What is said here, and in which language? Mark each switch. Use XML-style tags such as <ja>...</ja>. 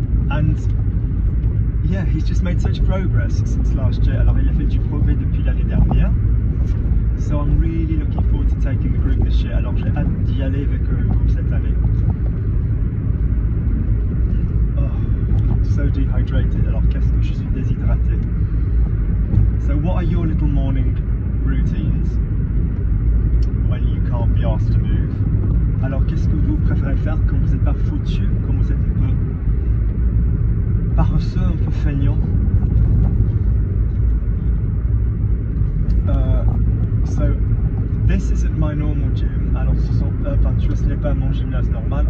<en>And he's just made such progress since last year.</en> <fr>Alors il a fait du progrès depuis l'année dernière.</fr> <en>So I'm really looking forward to taking the group this year.</en> <fr>Alors j'ai hâte d'y aller avec le groupe cette année.</fr> <en>Oh, so dehydrated.</en> <fr>Alors qu'est-ce que je suis déshydraté.</fr> <en>So what are your little morning routines when you can't be asked to move?</en> <fr>Alors qu'est-ce que vous préférez faire quand vous n'êtes pas foutu, quand vous êtes un peu paresseux, un peu feignant?</fr> <en>So this isn't my normal gym.</en> <fr>Alors ce n'est pas mon gymnase normal.</fr>